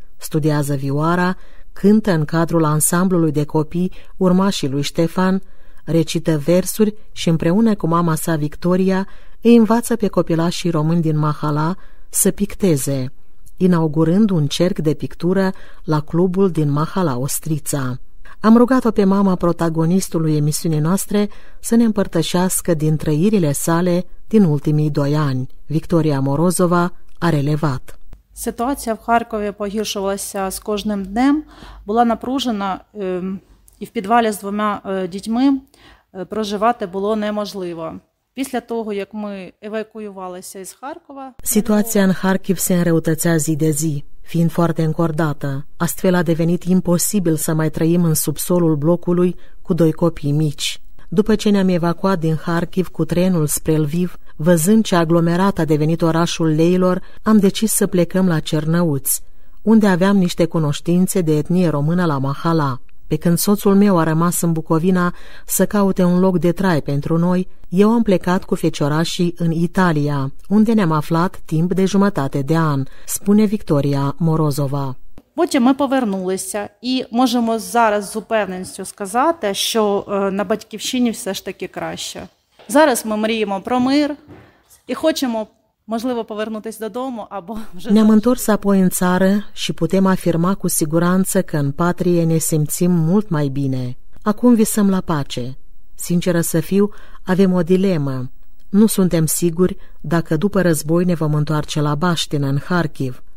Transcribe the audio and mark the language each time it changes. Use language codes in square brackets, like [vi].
[ro] Studiază vioara, cântă în cadrul ansamblului de copii urmașii lui Ștefan, recită versuri și împreună cu mama sa Victoria îi învață pe copilașii români din Mahala să picteze, inaugurând un cerc de pictură la clubul din Mahala Ostrița. Am rugat-o pe mama protagonistului emisiunii noastre să ne împărtășească din trăirile sale din ultimii 2 ani. Victoria Morozova a relevat. Situația în Harkiv a [uk] pogiršovalася з кожним днем, була напружена і в підвалі з двома дітьми проживати було неможливо. Після того, як ми евакуювалися із Харкова, ситуація в Харкові се [ro] înrăutățea zi de zi, fiind foarte încordată. Astfel a devenit imposibil să mai trăim în subsolul blocului cu 2 copii mici. După ce ne-am evacuat din Harkiv cu trenul spre Lviv, văzând ce aglomerat a devenit orașul leilor, am decis să plecăm la Cernăuți, unde aveam niște cunoștințe de etnie română la Mahala. Pe când soțul meu a rămas în Bucovina să caute un loc de trai pentru noi, eu am plecat cu feciorașii în Italia, unde ne-am aflat timp de jumătate de an, spune Victoria Morozova. [uk] Потім ми повернулися і можемо зараз з упевненістю сказати, що на батьківщині все ж таки краще. Зараз ми мріємо про мир і хочемо, можливо, повернутися додому або вже... [ro] Ne-am întors apoi în țară și putem afirma cu siguranță că în patrie ne simțim mult mai bine. Acum visăm la pace. Sinceră să fiu, avem o dilemă. Nu suntem siguri dacă după război ne vom întoarce la Baștină, în Harkiv.